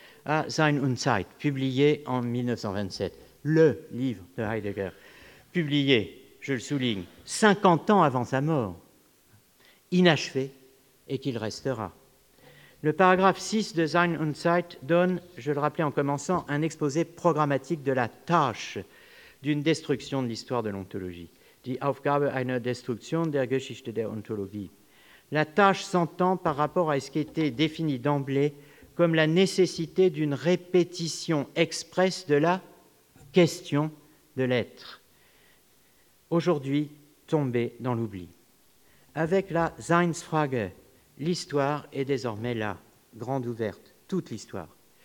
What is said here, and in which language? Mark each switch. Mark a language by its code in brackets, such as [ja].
[fr] À Sein und Zeit, publié en 1927, le livre de Heidegger, publié, je le souligne, 50 ans avant sa mort, inachevé et qu'il restera. Le paragraphe 6 de Sein und Zeit donne, je le rappelais en commençant, un exposé programmatique de la tâche d'une destruction de l'histoire de l'ontologie. [de] Die Aufgabe einer Destruktion der Geschichte der Ontologie. [fr] La tâche s'entend par rapport à ce qui était défini d'emblée comme la nécessité d'une répétition expresse de la question de l'être, aujourd'hui tombée dans l'oubli. Avec la Seinsfrage, l'histoire est désormais là, grande ouverte, toute l'histoire.